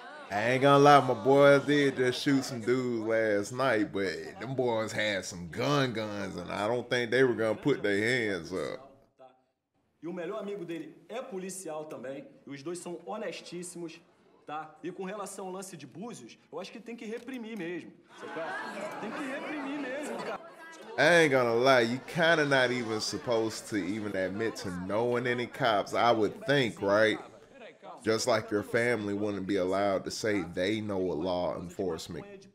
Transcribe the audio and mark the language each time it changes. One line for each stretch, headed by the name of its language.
English: I ain't gonna lie, my boys did just shoot some dudes last night, but them boys had some guns, and I don't think they were gonna put their hands up.
Portuguese: E o melhor amigo dele é policial também. Os dois são honestíssimos, tá? E com relação ao lance de Búzios, eu acho que tem que reprimir mesmo. Tem que reprimir mesmo, cara.
English: I ain't gonna lie, you kind of not even supposed to even admit to knowing any cops, I would think, right? Just like your family wouldn't be allowed to say they know a law enforcement.